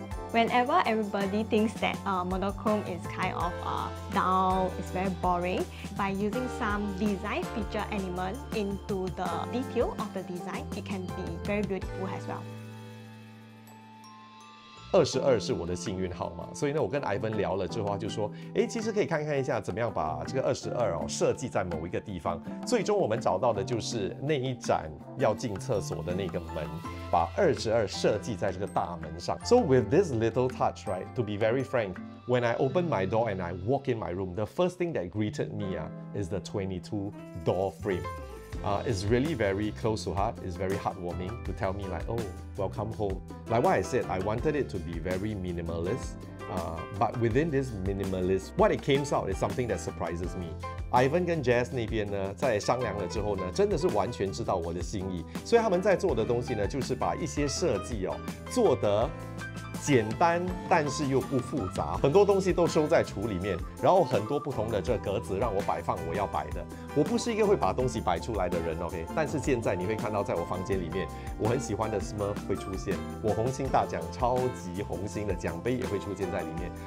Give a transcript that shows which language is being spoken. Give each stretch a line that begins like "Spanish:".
English: Whenever everybody thinks that monochrome is kind of dull, it's very boring, by using some design feature element into the detail of the design, it can be very beautiful as well.
Chinese: 22是我的幸运号码，所以呢，我跟 Ivan 聊了之后，他就说，哎，其实可以看看一下怎么样把这个22哦设计在某一个地方。最终我们找到的就是那一盏要进厕所的那个门，把22设计在这个大门上。
English: So with this little touch, right? To be very frank, when I open my door and I walk in my room, the first thing that greeted me is the 22 door frame. It's really very close to heart. It's very heartwarming to tell me like, oh, welcome home. Like what I said, I wanted it to be very minimalist. But within this minimalist, what it came out is something that surprises me.
Chinese: Ivan 跟 Jazz 那边呢，在商量了之后呢，真的是完全知道我的心意。所以他们在做的东西呢，就是把一些设计哦，做得简单，但是又不复杂，很多东西都收在橱里面，然后很多不同的这格子让我摆放我要摆的。我不是一个会把东西摆出来的人 ，OK？ 但是现在你会看到，在我房间里面，我很喜欢的 Smurf 会出现，我红星大奖超级红星的奖杯也会出现在里面。